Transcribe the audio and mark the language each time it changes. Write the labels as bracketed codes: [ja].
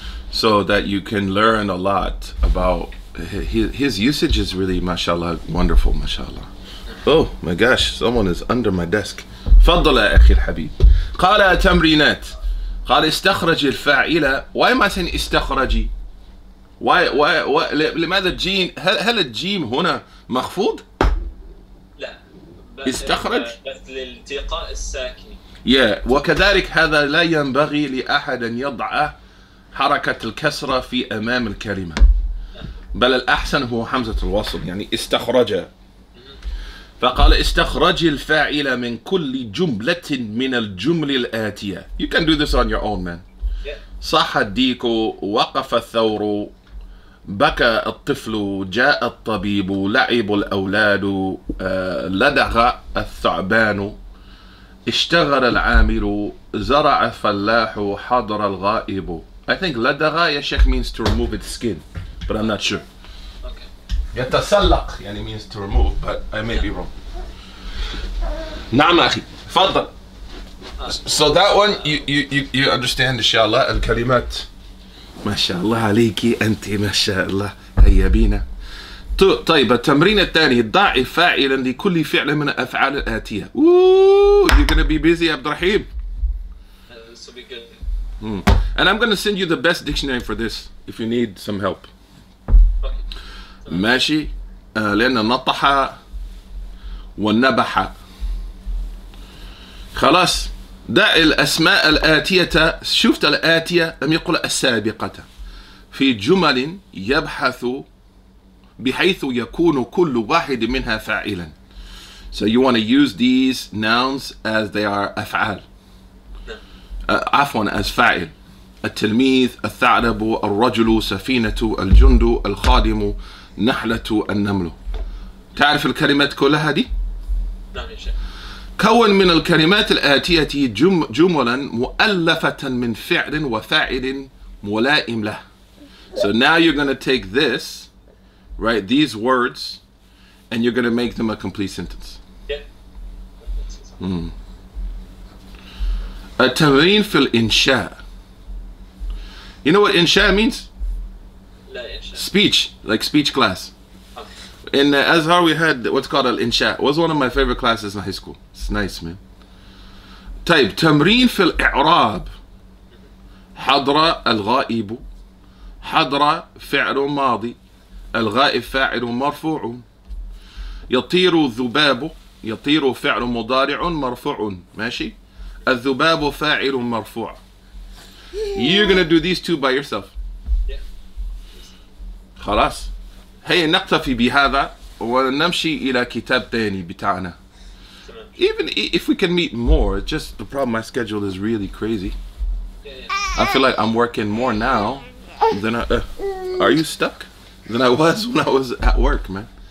[en] So that you can learn a lot about his usage is really mashallah wonderful mashallah. Oh my gosh, someone is under my desk. [ar] فضل يا أخي الحبيب. قال تمرينات. قال استخرج الفاعلة. [en] Why am I saying استخرجي? Why? [ar] لماذا الجيم هل الجيم هنا مخفوض؟ لا. استخرج. بس للالتقاء الساكن. [en] Yeah. [ar] وكذلك هذا لا ينبغي لأحد أن يضع حركة الكسرة في أمام الكلمة. بل الأحسن هو حمزة الوصل يعني استخرج. فقال استخرج الفاعل من كل جملة من الجمل الآتية. [en] You can do this on your own man. [ar] صح الديك وقف الثور بكى الطفل جاء الطبيب لعب الأولاد لدغ الثعبان اشتغل العامل زرع الفلاح حضر الغائب. [en] I think لدغ يا شيخ means to remove its skin but I'm not sure. يتسلق يعني means to remove but I may be wrong. [ar] نعم أخي فضل. [en] So that one you understand inshallah الكلمات. [ar] ما شاء الله عليك أنت ما شاء الله هيا بينا. طيب التمرين الثاني ضع فاعلا لكل فعل من الأفعال الآتية. [en] Ooh, you're gonna be busy عبد الرحيم. This will be good. And I'm gonna send you the best dictionary for this if you need some help. [ar] ماشي لأن نطح والنبح خلاص دع الأسماء الآتية. شفت الآتية لم يقل السابقة في جمل يبحث بحيث يكون كل واحد منها فاعلا. [en] So you want to use these nouns as they are أفعال. [ar] عفوا as فاعل. التلميذ الثعلب الرجل سفينة الجند الخادم نحلة النمل. تعرف الكلمات كلها دي؟ كون من الكلمات الآتية جملا مؤلفة من فعل وفاعل ملائم له. [en] So now you're gonna take this, right, these words, and you're gonna make them a complete sentence. [ar] التمرين في الإنشاء. [en] You know what إنشاء means? Speech, like speech class. Okay. In Azhar, we had what's called al-insha. It was one of my favorite classes in high school. It's nice, man. [ar] طيب تمرين في الإعراب. حضر الغائب. حضر فعل ماضي. الغائب فاعل مرفوع. يطير الذباب. يطير فعل مضارع مرفوع. ماشي. الذباب فاعل مرفوع. [en] You're gonna do these two by yourself. [ar] خلاص هيا نقتفي بهذا ونمشي إلى كتاب ثاني بتاعنا. [en] Even if we can meet more, just the problem my schedule is really crazy. I feel like I'm working more now than I. Are you stuck? Than I was when I was at work, man.